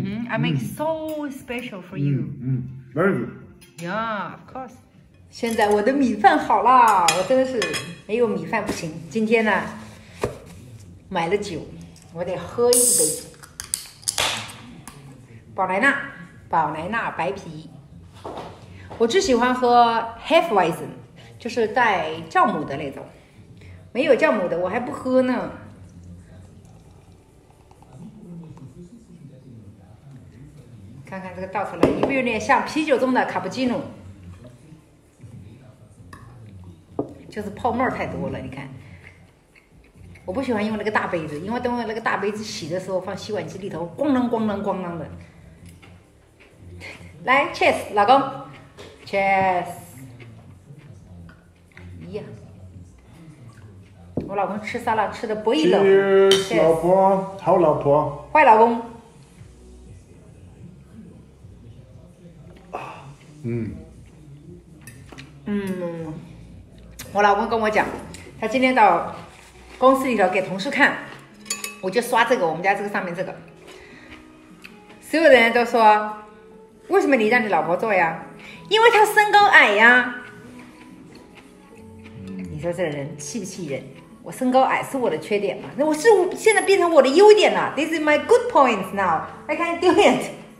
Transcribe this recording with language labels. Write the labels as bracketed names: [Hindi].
[English] I make so special for you. Very good. Yeah, of course. [Chinese] 现在我的米饭好了，我真的是没有米饭不行。今天呢，买了酒，我得喝一杯酒。宝莱纳白啤。我最喜欢喝 Hefeweizen， 就是带酵母的那种。没有酵母的我还不喝呢。看看这个倒出来有没有点像啤酒中的卡布奇诺，就是泡沫太多了。你看，我不喜欢用那个大杯子，因为等我那个大杯子洗的时候放洗碗机里头，咣啷咣啷咣啷的。来 ，Cheers， 老公 ，Cheers。咦呀，我老公吃沙拉吃的不亦乐乎。 Cheers， 老婆，好老婆。坏老公。我老公跟我讲，他今天到公司里头给同事看，我就刷这个，我们家这个上面这个，所有的人都说，为什么你让你老婆做呀？因为她身高矮呀。你说这个人气不气人？我身高矮是我的缺点嘛？那我是现在变成我的优点了。 [English] This is my good points now. I can do it.